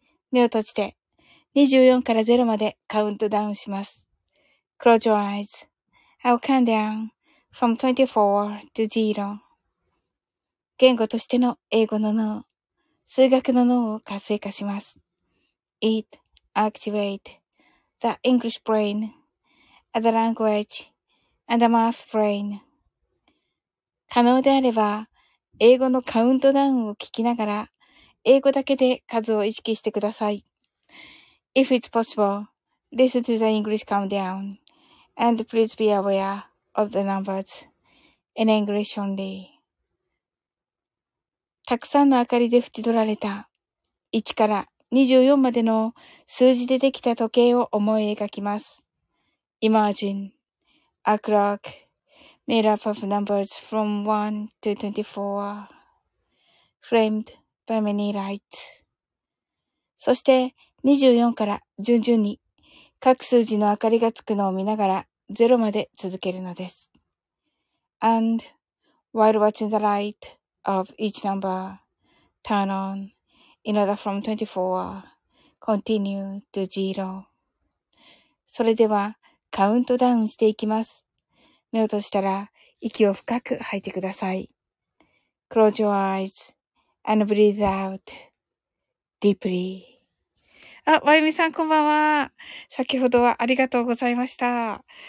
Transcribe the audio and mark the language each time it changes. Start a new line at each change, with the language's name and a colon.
Japanese: 目を閉じて24から0までカウントダウンします。
English: Close your eyes. I'll count down from 24 to 0.
Japanese: 言語としての英語の脳、数学の脳を活性化します。
English: It activate. The English brain, and the language, and the math brain.
Japanese: 可能であれば、英語のカウントダウンを聞きながら、英語だけで数を意識してください。
English: If it's possible, listen to the English countdown, and please be aware of the numbers in English only.
Japanese: たくさんの明かりで縁取られた1から24までの数字でできた時計を思い描きます。
English: Imagine a clock made up of numbers from 1 to 24 framed by many lights.
Japanese: そして24から順々に各数字の明かりがつくのを見ながら0まで続けるのです。
English: And while watching the light of each number turn on,In order from 24, continue to zero.
Japanese: それでは、カウントダウンしていきます。目を閉じたら、息を深く吐いてください。
English: Close your eyes and breathe out deeply.
Japanese: あ、まゆみさん、こんばんは。先ほどはありがとうございました。